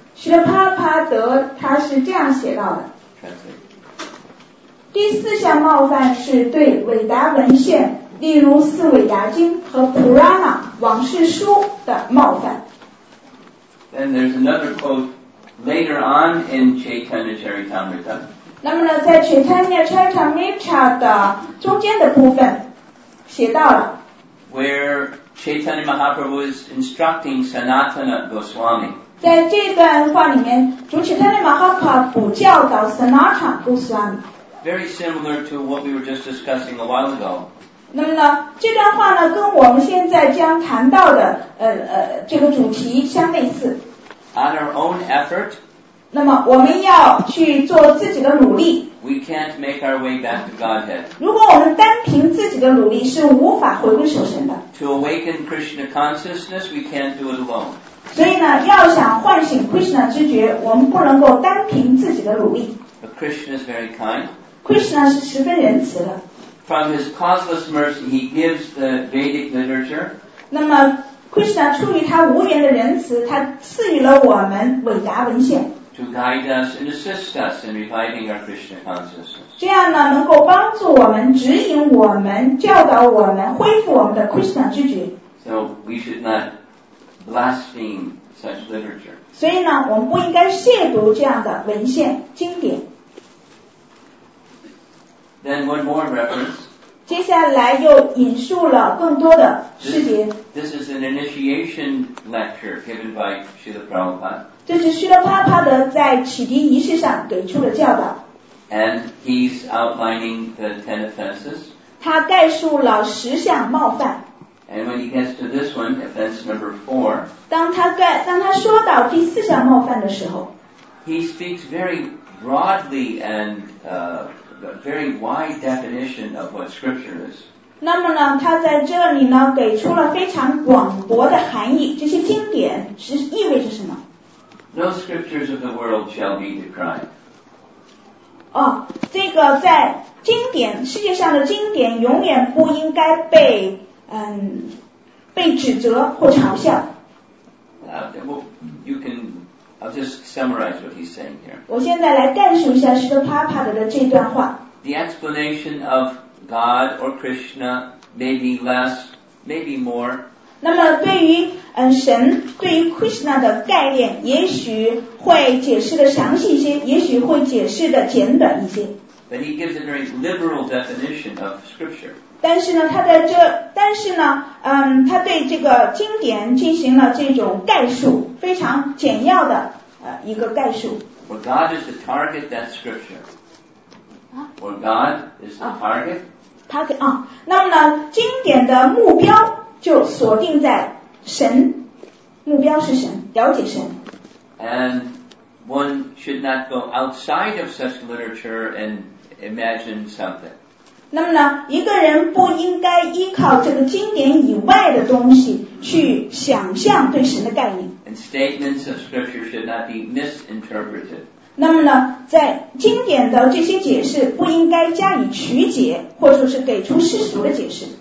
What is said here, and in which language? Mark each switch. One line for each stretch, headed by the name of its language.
Chinese: 是的，帕帕德他是这样写到的。第四项冒犯是对韦达文献，例如四韦达经和普拉玛往事书的冒犯。
English: Then there's another quote later on in Chaitanya Charitamrita.
Chinese: 那么呢，在 Chaitanya Charitamrita 的中间的部分写到了
English: ，Where Chaitanya Mahaprabhu is instructing Sanatana Goswami.
Chinese: 在这段话里面，主 Chaitanya Mahaprabhu 教导 Sanatana Goswami。
English: Very similar to what we were just discussing a while ago.
Chinese: 那么呢，这段话呢，跟我们现在将谈到的这个主题相类似。
English: On our own effort.
Chinese: 那么我们要去做自己的努力。
English: We can't make our way back to Godhead.
Chinese: 如果我们单凭自己的努力是无法回归求神的。
English: To awaken Krishna consciousness, we can't do it alone.
Chinese: 所以呢，要想唤醒 Krishna 知觉，我们不能够单凭自己的努力。
English: But Krishna is very kind.
Chinese: Krishna 是十分仁慈的。
English: From his causeless mercy, he gives the Vedic literature.
Chinese: 那么 Krishna 出于他无缘的仁慈，他赐予了我们韦达文献。
English: To guide us and assist us in reviving our Krishna consciousness.
Chinese: 这样呢，能够帮助我们、指引我们、教导我们、恢复我们的 Krishna 知觉。
English: So we should not blaspheme such literature.
Chinese: 所以呢，我们不应该亵渎这样的文献、经典。
English: Then one more reference.
Chinese: 接下来又引述了更多的细节。
English: This is an initiation lecture given by Srila Prabhupada.
Chinese: 这是 Srila Prabhupada 在启迪仪式上给出了教导。
English: And he's outlining the ten offenses.
Chinese: 他概述了十项冒犯。
English: And when he gets to this one, offense number four.
Chinese: 当他说到第四项冒犯的时候，
English: he speaks very broadly and a very wide definition of what scripture is.
Chinese: 那么呢，他在这里呢给出了非常广博的含义，这些经典是意味着什么？
English: No scriptures of the world shall be decried.
Chinese: 哦，这个在经典，世界上的经典永远不应该被被指责或嘲笑。
English: I'll just summarize what he's saying here.
Chinese: 我现在来概述一下释迦帕帕德的这段话。
English: The explanation of God or Krishna may be less, may be more.
Chinese: 那么对于神，对于 Krishna 的概念，也许会解释的详细一些，也许会解释的简短一些。
English: But he gives a very liberal definition of scripture.
Chinese: 但是呢，他在这，但是呢，他对这个经典进行了这种概述。非常简要的一个概述。
English: Where God is the target, that's scripture. Where God is the target.
Chinese: Target 啊，那么呢，经典的目标就锁定在神，目标是神，了解神。
English: And one should not go outside of such literature and imagine something.
Chinese: 那么呢，一个人不应该依靠这个经典以外的东西去想象对神的概念。
English: Statements of scripture should not be misinterpreted.
Chinese: 那么呢，在经典的这些解释不应该加以曲解，或者说是给出世俗的解释。